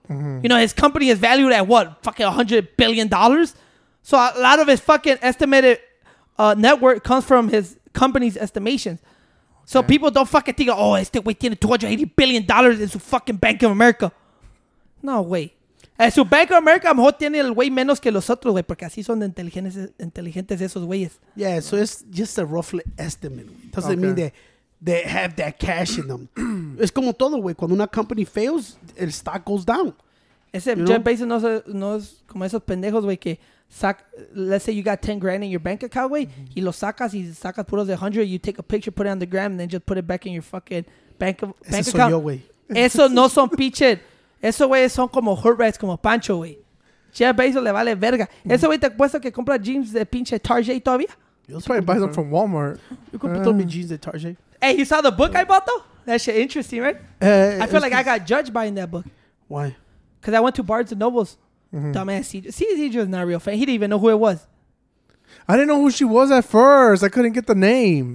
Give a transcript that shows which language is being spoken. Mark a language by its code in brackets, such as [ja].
[en] Mm-hmm. You know, his company is valued at what? Fucking $100 billion? So a lot of his fucking estimated network comes from his... company's estimations. So okay. People don't fucking think, oh, it's still waiting $280 billion in su fucking Bank of America. No way. [es] En su Bank of America, a lo mejor tiene el güey menos que los otros, güey, porque así son de inteligentes esos güeyes. [en] Yeah, so it's just a roughly estimate. Doesn't okay. mean they have that cash in them. [es] Es como todo, güey. [en] Cuando una company fails, el stock goes down. [es] Ese Jeff Bezos no es como esos pendejos, güey, que... [en] let's say you got 10 grand in your bank account, güey. Mm-hmm. [es] Y lo sacas, y sacas puros de 100. [en] You take a picture, put it on the gram, and then just put it back in your fucking bank account. [es] Eso soy yo, güey. Eso no son pinche. Eso, güey, son como hurt rats, como Pancho, güey. Jeff Bezos le vale verga. Mm-hmm. Ese, güey, te apuesto que compra jeans de pinche Target todavía. [en] You'll probably buy them from Walmart. You could put me jeans de Target. Hey, you saw the book I bought, though? That shit interesting, right? I feel like I got judged buying that book. Why? Because I went to Barnes & Noble's. Mm-hmm. Dumbass CJ. CJ is not a real fan. He didn't even know who it was. I didn't know who she was at first. I couldn't get the name.